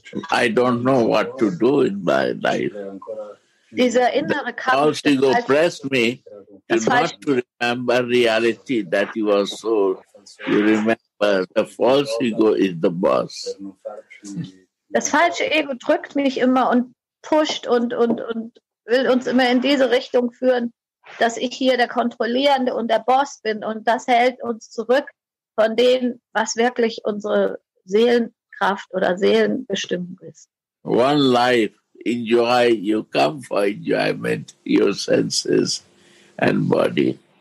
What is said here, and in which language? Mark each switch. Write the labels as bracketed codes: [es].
[en] I don't know what to do in my life. [de] Dieser innere Kampf. [en] False ego pressed me to not to remember reality that you are so. You remember the false ego is the boss. [de] Das falsche Ego drückt mich immer und pusht und will uns immer in diese Richtung führen, dass ich hier der Kontrollierende und der Boss bin und das hält uns zurück von dem, was wirklich unsere Seelenkraft oder Seelenbestimmung ist. [en] One life, enjoy, you come for enjoyment, your senses and body.